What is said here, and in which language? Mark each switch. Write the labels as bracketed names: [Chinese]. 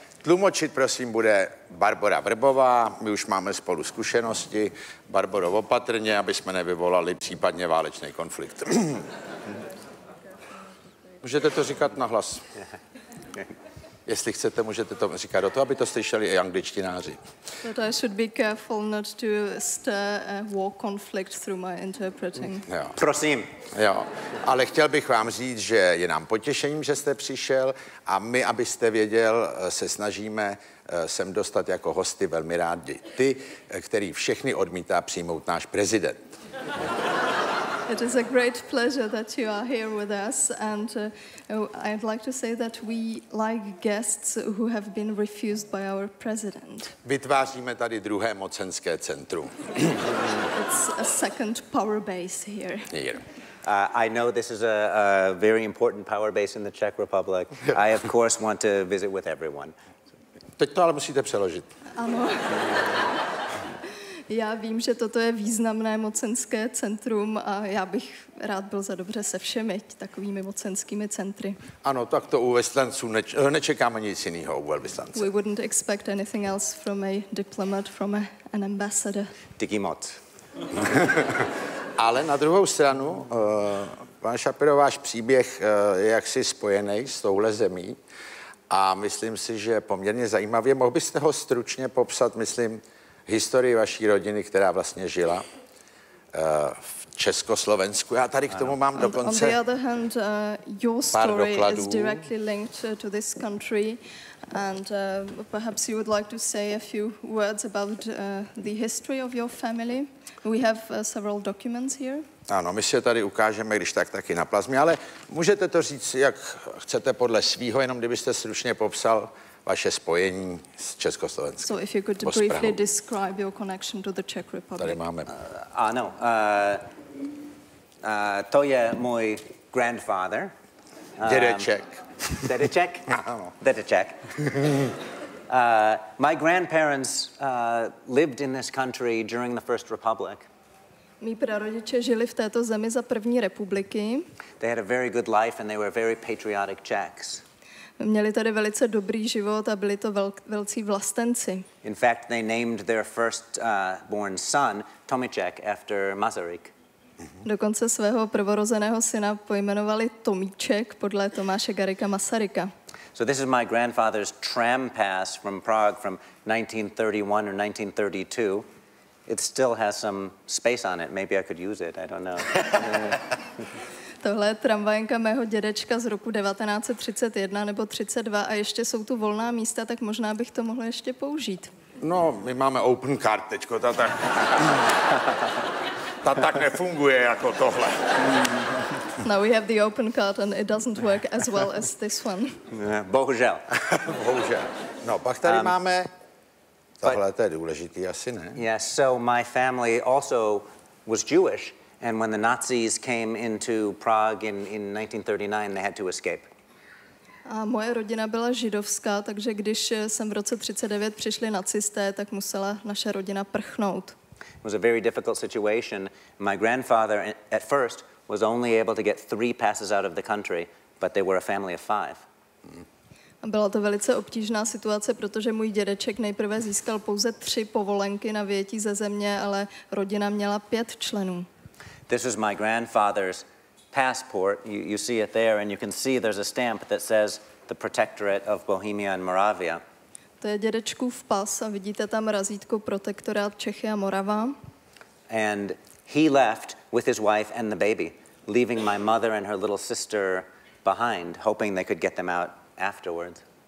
[Czech] Tlumočit, prosím, bude Barbora Vrbová. My už máme spolu zkušenosti. Barboro, opatrně, aby jsme nevyvolali případně válečný konflikt. Můžete to říkat nahlas. Jestli chcete, můžete to říkat do toho, aby to slyšeli i angličtináři. [English] But I should be careful not to stir a war conflict through my interpreting. [Czech] Jo. Prosím. Jo, ale chtěl bych vám říct, že je nám potěšením, že jste přišel a my, abyste věděl, se snažíme sem dostat jako hosty velmi rádi. Ty, který všechny odmítá přijmout náš prezident. [English] It is a great pleasure that you are here with us, and I'd like to say that we like guests who have been refused by our president. [Czech] Vytváříme tady druhé mocenské centrum. [English] It's a second power base here. I know this is a very important power base in the Czech Republic. I, of course, want to visit with everyone. [Czech] Teď to ale musíte přeložit. Ano. Já vím, že toto je významné mocenské centrum a já bych rád byl za dobře se všemi takovými mocenskými centry. Ano, tak to u velvyslanců nečekáme nic jiného u velvyslance. [English] We wouldn't expect anything else from a diplomat, from an ambassador. [Czech] Díky moc. Ale na druhou stranu, pan Shapiro, váš příběh je jaksi spojený s touhle zemí a myslím si, že poměrně zajímavě. Mohl byste ho stručně popsat, myslím, historii vaší rodiny, která vlastně žila v Československu. Já tady k tomu mám dokonce pár dokladů. [English] On the other hand, your story is directly linked to this country, and perhaps you would like to say a few words about the history of your family. We have several documents here. [Czech] Ano, my si je tady ukážeme, když tak taky na plazmě, ale můžete to říct, jak chcete podle svýho, jenom kdybyste stručně popsal vaše spojení s Československem. [English] So if you could briefly describe your connection to the Czech Republic. [Czech] Tady máme. Ano. To je můj grandfather. Dědeček. Dědeček? Ano. Dědeček. [English] My grandparents lived in this country during the First Republic. [Czech] Mí prarodiče žili v této zemi za první republiky. [English] They had a very good life and they were very patriotic Czechs. [Czech] Měli tady velice dobrý život a byli to velcí vlastenci. [English] In fact, they named their first born son Tomiček after Masaryk. [Czech] Dokonce svého prvorozeného syna pojmenovali Tomiček podle Tomáše Garrigua Masaryka. [English] So this is my grandfather's tram pass from Prague from 1931 or 1932. It still has some space on it. Maybe I could use it. I don't know. [Czech] Tohle je tramvajenka mého dědečka z roku 1931 nebo 32 a ještě jsou tu volná místa, tak možná bych to mohl ještě použít. No, my máme open card teďko, ta tak nefunguje jako tohle. [English] No, we have the open card and it doesn't work as well as this one. [Czech] Bohužel. Bohužel. No, pak tady máme, tohle to je důležitý asi, ne? [English] Yes, so my family also was Jewish. And when the Nazis came into Prague in 1939, they had to escape. [Czech] A moje rodina byla židovská, takže když sem v roce 39 přišli nacisté, tak musela naše rodina prchnout. [English] It was a very difficult situation. My grandfather at first was only able to get 3 passes out of the country, but they were a family of 5. [Czech] Byla to velice obtížná situace, protože můj dědeček nejprve získal pouze 3 povolenky na vyjetí ze země, ale rodina měla 5 členů. [English] This is my grandfather's passport. You see it there, and you can see there's a stamp that says the Protectorate of Bohemia and Moravia. [Czech] To je dědečkův pas a vidíte tam razítko Protektorát Čechy a Morava. [English] And he left with his wife and the baby, leaving my mother and her little sister behind, hoping they could get them out afterwards.